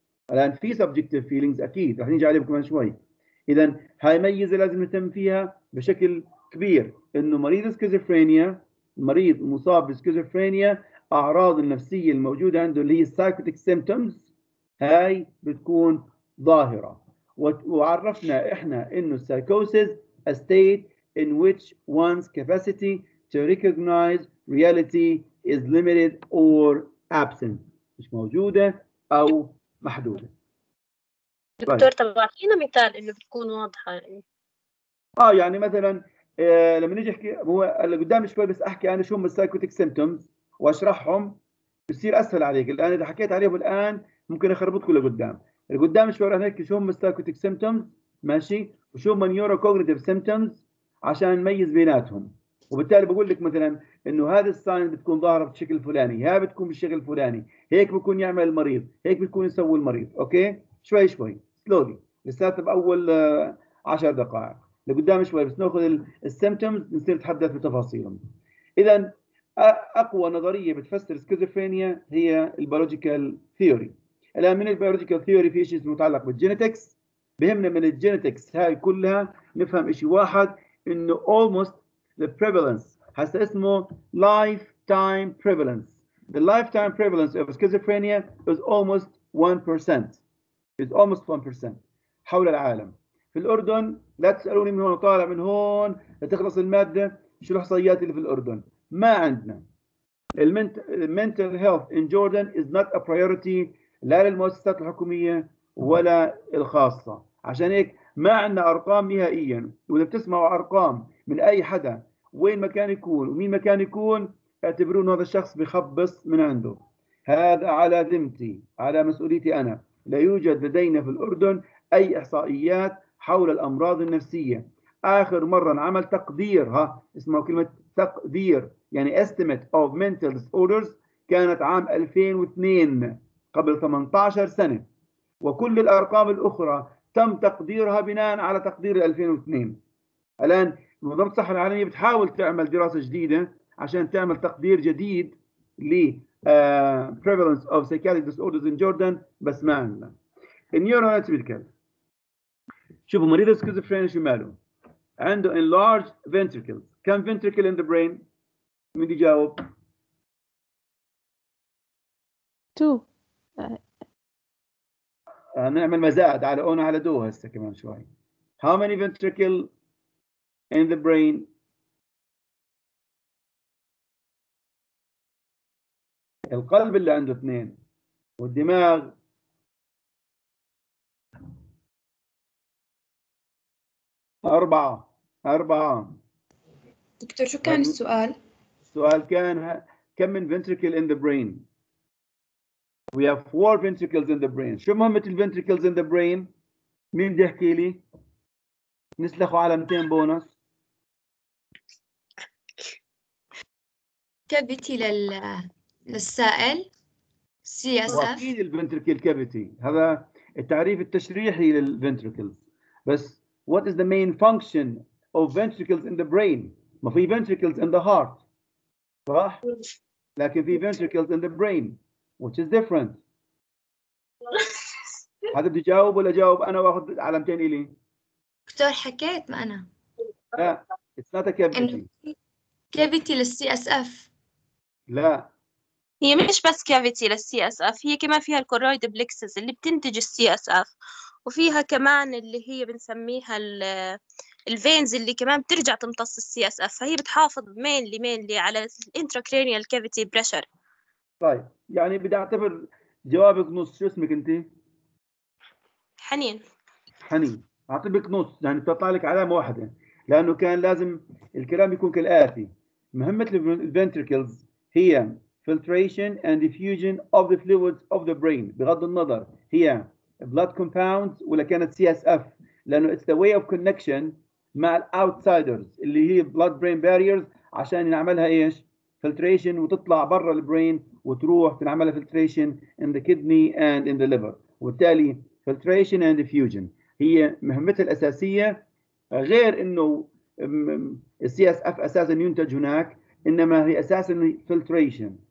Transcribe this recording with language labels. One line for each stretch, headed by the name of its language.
Arabic: الآن في subjective feelings أكيد رح نيجي عليهم كمان شوي. إذن هاي ميزة لازم نهتم فيها بشكل كبير، إنه مريض سكيزوفرينيا، مريض مصاب بسكيزوفرينيا، أعراض النفسية الموجودة عنده اللي هي psychotic symptoms هاي بتكون ظاهرة. وعرفنا إحنا إنه
English: psychosis a state in which one's capacity to recognize reality is limited or absent،
Arabic: مش موجودة أو محدودة. دكتور طبعا أعطينا مثال إنه بتكون واضحة يعني. يعني مثلا لما نيجي أحكي هو اللي قدامي شوي بس أحكي أنا شو هم السايكوتيك سيمتومز وأشرحهم بيصير أسهل عليك، لأن إذا حكيت عليهم الآن ممكن أخربطكم لقدام. القدام شوي راح نحكي شو هم السايكوتيك سيمتومز ماشي، وشو هم النيورو كوجنيتيف سيمتومز عشان نميز بيناتهم. وبالتالي بقول لك مثلا انه هذا الساين بتكون ظاهره بشكل فلاني، هي بتكون بالشكل الفلاني، هيك بيكون يعمل المريض، هيك بيكون يسوي المريض. اوكي شوي شوي سلولي، لساته باول 10 دقائق لقدام شوي، بس ناخذ السيمبتومز نصير نتحدث بتفاصيلهم. اذا اقوى نظريه بتفسر سكيزوفرينيا هي البيولوجيكال ثيوري. الان من البيولوجيكال ثيوري في شيء متعلق بالجينيتكس، بهمنا من الجينيتكس هاي كلها نفهم شيء واحد، انه
English: almost the prevalence has
Arabic: اسمه lifetime prevalence.
English: The lifetime prevalence of schizophrenia is almost 1%. It's almost 1%
Arabic: حول العالم. في الأردن لا تسألوني من هون طالع من هون لتخلص المادة شو الإحصائيات اللي في الأردن، ما عندنا.
English: Mental health in Jordan is not a priority
Arabic: لا للمؤسسات الحكومية ولا الخاصة. عشان هيك ما عندنا أرقام نهائيا، وإذا بتسمعوا أرقام من أي حدا وين مكان يكون ومين مكان يكون، اعتبرون هذا الشخص بيخبص من عنده. هذا على ذمتي، على مسؤوليتي أنا. لا يوجد لدينا في الأردن أي إحصائيات حول الأمراض النفسية. آخر مرة عمل تقدير، ها اسمه كلمة تقدير يعني
English: estimate of mental disorders،
Arabic: كانت عام 2002 قبل 18 سنة، وكل الأرقام الأخرى تم تقديرها بناء على تقدير 2002. الآن منظمة الصحة العالمية بتحاول تعمل دراسة جديدة عشان تعمل تقدير جديد ل
English: prevalence of psychiatric disorders in Jordan،
Arabic: بس ما عندنا. Neuroanatomical، شوفوا مريض السكيزوفرينيا شو ماله؟ عنده
English: enlarged ventricles.
Arabic: كم
English: ventricle in the brain؟
Arabic: مين يجاوب؟ 2. نعمل مزاد على أونا على دو هسا كمان شوي.
English: How many ventricle in the brain؟
Arabic: القلب اللي عنده 2 والدماغ 4. 4 دكتور شو كان السؤال؟ السؤال كان كم من
English: ventricle in the brain؟ We have 4 ventricles in the brain.
Arabic: شو مهمة الventricles in the brain؟ مين بدي يحكي لي؟ نسلخوا على 200 بونص. كافيتي للسائل CSF. أكيد الventricle cavity. هذا التعريف التشريحي للventricles.
English: بس what is the main function of ventricles in the brain؟
Arabic: ما في
English: ventricles in the heart.
Arabic: صح؟ لكن في
English: ventricles in the brain. Which is different.
Arabic: هذا بدي جاوب ولا جاوب أنا وأخذ علامتين إلي؟ دكتور حكيت ما أنا.
English: لا. It's not a cavity. Cavity للCSF.
Arabic: لا. هي مش بس cavity للCSF، هي كمان فيها الكورويد بلكسس اللي بتنتج الCSF، وفيها كمان اللي هي بنسميها الفينز اللي كمان بترجع تمتص الCSF، فهي بتحافظ mainly على intracranial cavity pressure. طيب يعني بدي اعتبر جوابك نص. شو اسمك انت؟ حنين. حنين اعطيك نص، يعني بتطالك علامة واحدة، لانه كان لازم الكلام يكون كالآتي. مهمة الventricles هي
English: filtration and diffusion of the fluids of the brain،
Arabic: بغض النظر هي
English: blood compounds ولا كانت CSF، لانه it's the way of connection مع outsiders اللي هي blood brain barriers،
Arabic: عشان نعملها ايش؟
English: filtration
Arabic: وتطلع برا البرين وتروح تنعملها
English: filtration in the kidney and in the liver.
Arabic: وبالتالي
English: filtration and diffusion
Arabic: هي مهمتها الأساسية، غير إنه CSF أساسا ينتج هناك، إنما هي أساسا filtration.